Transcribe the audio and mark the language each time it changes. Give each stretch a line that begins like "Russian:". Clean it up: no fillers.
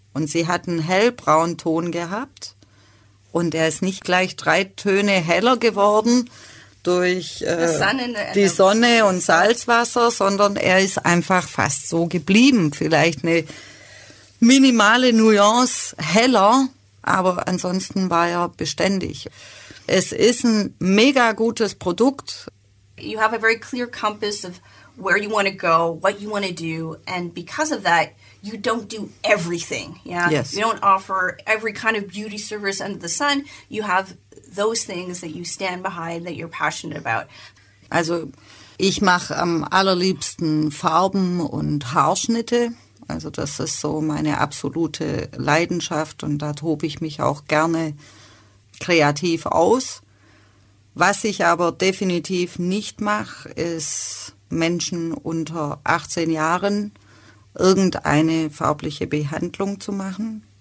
German: Und sie hat einen hellbraunen Ton gehabt und er ist nicht gleich 3 Töne heller geworden durch die Sonne und Salzwasser, sondern er ist einfach fast so geblieben. Vielleicht eine minimale Nuance heller, aber ansonsten war er beständig. Es ist ein mega gutes Produkt.
English: You have a very clear compass of where you want to go, what you want to do, and because of that, you don't do everything. Yeah, yes. You don't offer every kind of beauty service under the sun. You have those things that you stand behind, that you're passionate about.
German: Also, ich mache am allerliebsten Farben und Haarschnitte. Also, das ist so meine absolute Leidenschaft und da tobe ich mich auch gerne kreativ aus. Was ich aber definitiv nicht mache, ist Menschen unter 18 Jahren irgendeine farbliche Behandlung zu machen.